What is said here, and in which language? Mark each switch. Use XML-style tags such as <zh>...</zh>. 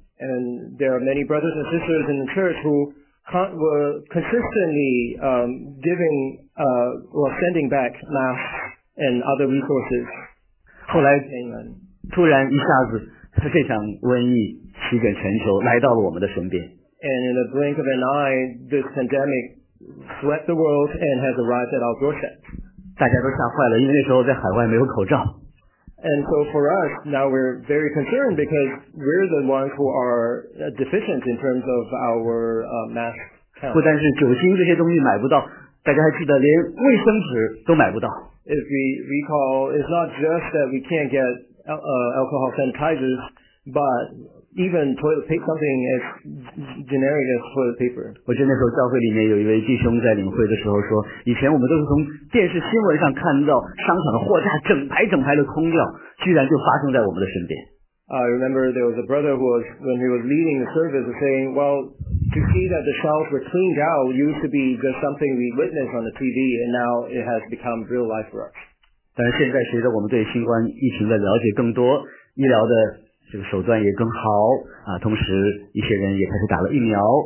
<en>And there are many brothers and sisters in the church who were consistently giving or sending back masks and other resources.</en> <zh>后来突然一下子这场瘟疫席卷全球来到了我们的身边</zh> <en>and in the blink of an eye this pandemic swept the world and has arrived at our doorstep</en> <zh>大家都吓坏了因为那时候在海外没有口罩</zh> <en>and so for us now we're very concerned because we're the ones who are deficient in terms of our mask count</en> <zh>不但是酒精这些东西买不到大家还记得连卫生纸都买不到</zh> <en>if we recall it's not just that we can't get alcohol sanitizers but even toilet paper something as generic as toilet paper</en> <zh>我记得那时候教会里面有一位弟兄在领会的时候说以前我们都是从电视新闻上看到商场的货架整排整排的空掉居然就发生在我们的身边</zh> <en>I remember there was a brother who was when he was leading the service saying well to see that the shelves were cleaned out used to be just something we witnessed on the TV and now it has become real life for us</en> <zh>但是现在随着我们对新冠疫情的了解更多医疗的这个手段也更好啊，同时一些人也开始打了疫苗。</zh>